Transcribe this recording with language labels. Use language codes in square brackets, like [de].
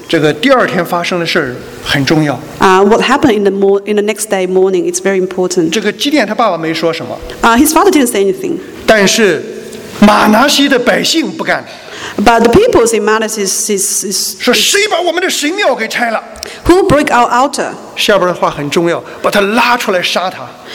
[zh] 这个第二天发生的事很重要。 [en] What happened in the next day morning is very important. [zh] 这个基甸他爸爸没说什么。 [en] His father didn't say anything. [zh] 但是马拿西的百姓不干。 [en] But the people in Manasseh is [zh] 说谁把我们的神庙给拆了 [en] ？Who broke our altar？ [zh] 下边的话很重要，把他拉出来杀他。